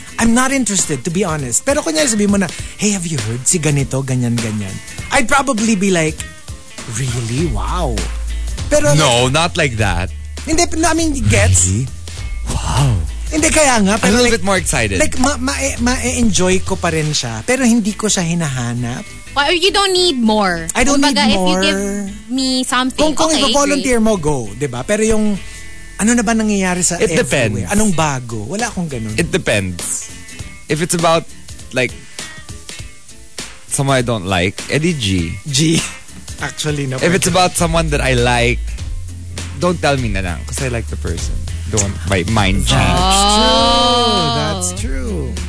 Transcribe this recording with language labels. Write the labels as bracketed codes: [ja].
[en] I'm not interested, to be honest. [tl] Pero kunyari sabi mo na, [en] hey, have you heard [tl] si ganito, ganyan, ganyan? [en] I'd probably be like, really? Wow. Pero no, like, not like that. [tl] Hindi, [en] I mean, gets. Really? Wow. [tl] Hindi, kaya nga. [en] I'm a little bit more excited. [tl] Like, ma-enjoy ko pa rin siya. Pero hindi ko siya hinahanap. [en] Well, you don't need more. I don't [tl] kumbaga, [en] need more. If you give me something, [tl] kung [en] okay, [tl] volunteer mo, go. Diba? Pero yung, ano na ba nangyayari sa [en] it everywhere? Depends. [tl] Anong bago? Wala akong ganun. [en] It depends. If it's about, like, someone I don't like, Eddie G. G. Actually, no. If it's about someone that I like, don't tell me [tl] na lang. [en] Because I like the person. Don't by mind change. That's true. That's true.